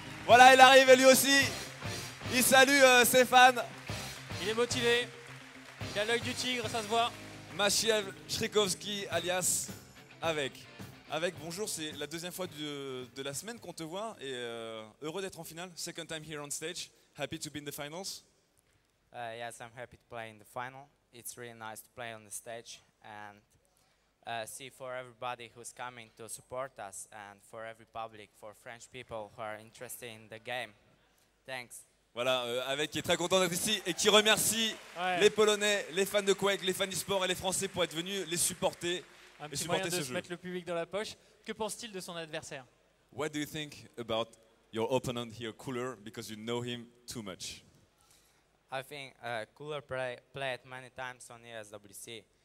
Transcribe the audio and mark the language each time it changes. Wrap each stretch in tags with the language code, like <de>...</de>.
<fr>Voilà, il arrive lui aussi. Il salue ses fans. Il est motivé. Il a l'œil du tigre, ça se voit. Maciej Strzykowski, alias Avec. Avec, bonjour, c'est la deuxième fois de la semaine qu'on te voit et heureux d'être en finale.</fr> <en>Second time here on stage, happy to be in the finals. Yes, I'm happy to play in the final. It's really nice to play on the stage and see for everybody who's coming to support us and for every public, for French people who are interested in the game. Thanks.</en> <fr>Voilà, Avec qui est très content d'être ici et qui remercie les Polonais, les fans de Quake, les fans e-sport et les Français pour être venus les supporter. Un petit moyen de se mettre le public dans la poche. Que pense-t-il de son adversaire?</fr> <en>What do you think about your opponent here, Cooler, because you know him too much? I think Cooler played many times on ESWC.</en>